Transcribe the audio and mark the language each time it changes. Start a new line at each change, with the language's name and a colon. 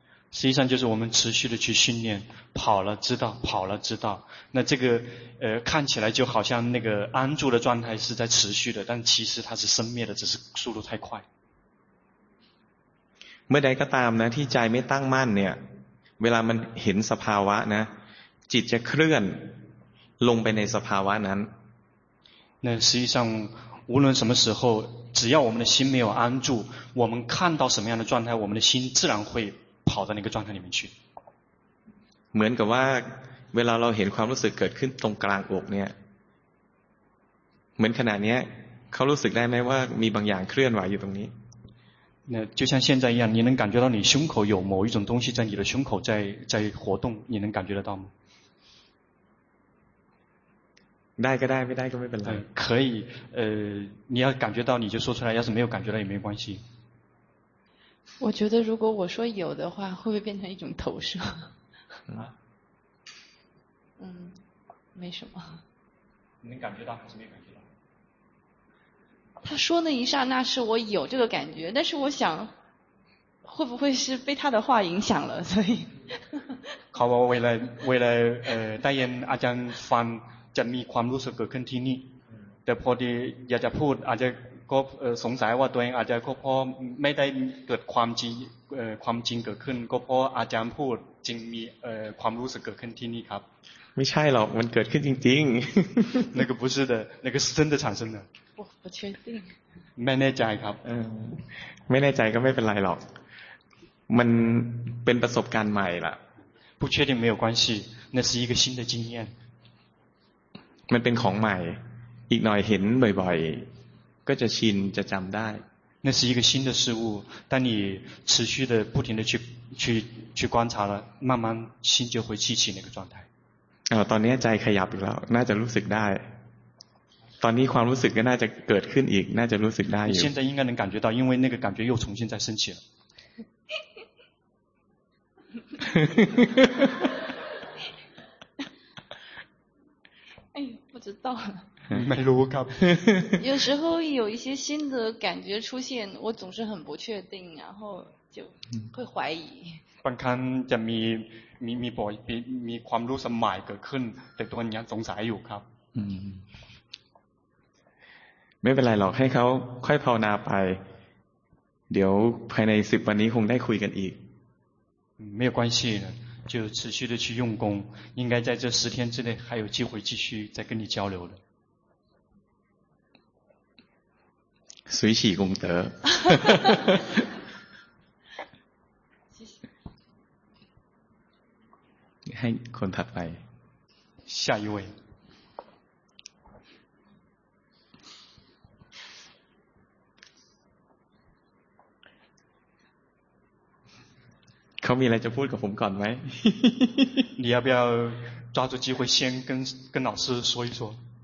Chinese: 实际上就是我们持续的去训练，跑了知道，跑了知道。那这个看起来就好像那个安住的状态是在持续的，但其实它是生灭的，只是速度太快。
Thai: เมื่อใดก็ตามนะที่ใจไม่ตั้งมั่นเนี่ยเวลามันเห็นสภาวะนะจิตจะเคลื่อนลงไปในสภาวะนั้น
Chinese: 那实际上无论什么时候只要我们的心没有安住我们看到什么样的状态我们的心自然会跑到那个状态里面去
Thai: เหมือนกับว่าเวลาเราเห็นความรู้สึกเกิดขึ้นตรงกลางอกเนี่ยเหมือนขณะนี้เขารู้สึกได้ไหมว่ามีบางอย่างเคลื่อนไหวอยู่ตรงนี้
Chinese: 那就像现在一样，你能感觉到你胸口有某一种东西在你的胸口在活动，你能感觉得到吗？
Thai: ได้ก็ได้ไม่ได้ก็ไม่เป็นไร。
Chinese: 可以，你要感觉到你就说出来，要是没有感觉到也没关系。我觉得如果我说有的话，会不会变成一种投射？嗯，没什么。你能感觉到还是没感觉到？他说那一刹那是我有这个感觉，但是我想，会不会是被他的话影响了？所以，好吧，为了代言
Thai: อาจารย์ฟังจะมีความรู้สึกเกิดขึ้นที่นี่ แต่พอดีอยากจะพูดอาจจะก็สงสัยว่าตัวเองอาจจะก็เพราะไม่ได้เกิดความจริงเกิดขึ้นก็เพราะอาจารย์พูดจึงมีความรู้สึกเกิดขึ้นที่นี่ครับ ไม่ใช่หรอกมันเกิดขึ้นจริง
Chinese: ๆ那个不是的那个是真的产生的我不确定
Thai: ไม่แน่ใจครับ ไม่แน่ใจก็ไม่เป็นไรหรอกมันเป็นประสบการณ์ใหม่ละ
Chinese: 不确定没有关系那是一个新的经验
Thai: มันเป็นของใหม่อีกหน่อยเห็นบ่อยๆก็จะชินจะจำได้
Chinese: 那是一个新的事物，当你持续的、不停的去观察了，慢慢心就会记起那个状态。
Thai: ตอนนี้ใจขยับอีกแล้ว น่าจะรู้สึกได้。ตอนนี้ความรู้สึกก็น่าจะเกิดขึ้นอีก น่าจะรู้สึกได้。
Chinese: 现在应该能感觉到，因为那个感觉又重新再升起了。哎呦，不知道了。没录卡。有时候有一些新的感觉出现，我总是很不确定，然后就会怀疑。
Thai: บางครั้งจะมีบ่อยมีความรู้สึกใหม่เกิดขึ้นแต่ตัวนี้สงสัยอยู่ครับ。 ไม่เป็นไรหรอกให้เขาค่อยภาวนาไปเดี๋ยวภายใน10วันนี้คงได้คุยกันอีก。
Chinese: 没有关系，就持续的去用功，应该在这十天之内还有机会继续再跟你交流的。随喜功德
Thai: ให้คนถัดไป
Chinese: 下一位
Thai: เขามีอะไรจะพูดกับผมก่อนไหม
Chinese: 你要不要抓住机会先跟老师说一说